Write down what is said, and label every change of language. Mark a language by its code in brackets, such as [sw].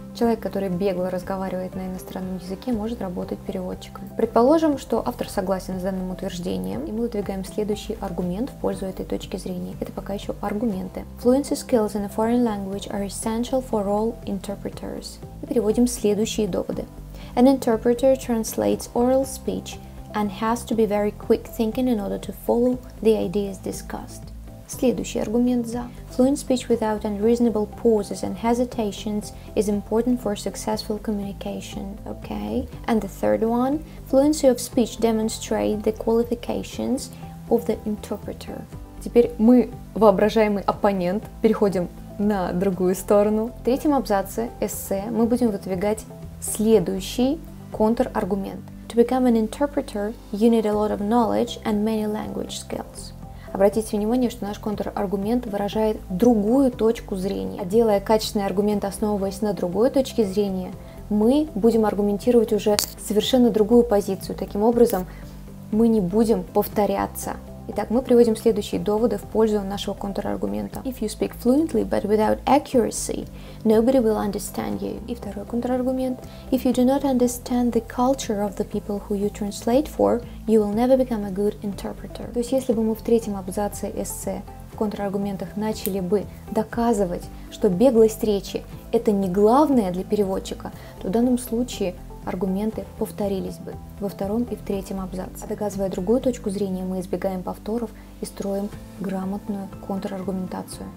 [ru] Человек, который бегло разговаривает на иностранном языке, может работать переводчиком. Предположим, что автор согласен с данным утверждением, и мы выдвигаем следующий аргумент в пользу этой точки зрения. Это пока еще аргументы. [en] Fluency skills in a foreign language are essential for all interpreters. [ru] И переводим следующие доводы. [en] An interpreter translates oral speech and has to be very quick thinking in order to follow the ideas discussed. [ru] Следующий аргумент за. [en] Fluent speech without unreasonable pauses and hesitations is important for successful communication. Okay. And the third one. Fluency of speech demonstrates the qualifications of the interpreter. [ru] Теперь мы, воображаемый оппонент, переходим на другую сторону. В третьем абзаце эссе мы будем выдвигать следующий контраргумент. [en] To become an interpreter, you need a lot of knowledge and many language skills. [ru] Обратите внимание, что наш контраргумент выражает другую точку зрения. Делая качественный аргумент, основываясь на другой точке зрения, мы будем аргументировать уже совершенно другую позицию. Таким образом, мы не будем повторяться. Итак, мы приводим следующие доводы в пользу нашего контраргумента. [en] If you speak fluently, but without accuracy, nobody will understand you. [ru] И второй контраргумент. [en] If you do not understand the culture of the people who you translate for, you will never become a good interpreter. [ru] То есть, если бы мы в третьем абзаце эссе в контраргументах начали бы доказывать, что беглость речи – это не главное для переводчика, то в данном случае аргументы повторились бы во втором и в третьем абзаце. Доказывая другую точку зрения, мы избегаем повторов и строим грамотную контраргументацию.